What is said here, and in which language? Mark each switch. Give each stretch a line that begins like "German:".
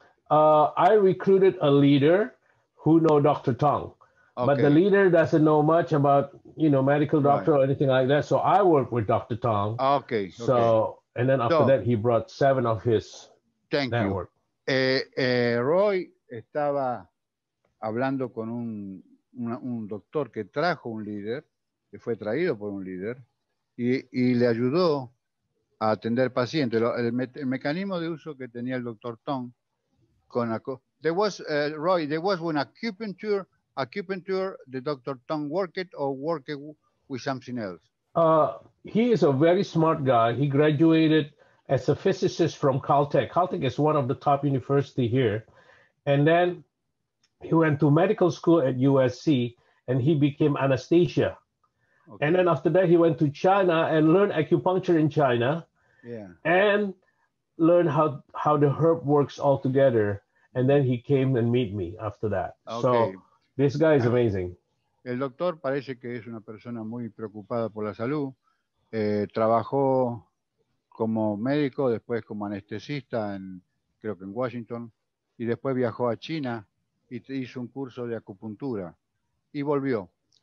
English: I recruited a leader who know Dr. Tong. Okay. But the leader doesn't know much about, you know, medical doctor right. or anything like that. So I work with Dr. Tong. Okay. So, and then after that, he brought 7 of his Thank network. You.
Spanish: Roy estaba hablando con un doctor que trajo un líder, que fue traído por un líder, y le ayudó a atender pacientes. El mecanismo de uso que tenía el doctor Tong con la
English: there was when acupuncture, the doctor Tong worked or worked with something else? He is a very smart guy. He graduated as a physicist from Caltech. Caltech is one of the top university here. And then he went to medical school at USC, and he became anesthesia. Okay. And then after that, he went to China and learned acupuncture in China. Yeah. And learned how the herb works all together. And then he came and meet me after that. Okay. So this guy is amazing.
Spanish: El doctor parece que es una persona muy preocupada por la salud. Trabajó como médico, después como anestesista, creo que en Washington. Y después viajó a China y hizo un curso de acupuntura. Y volvió.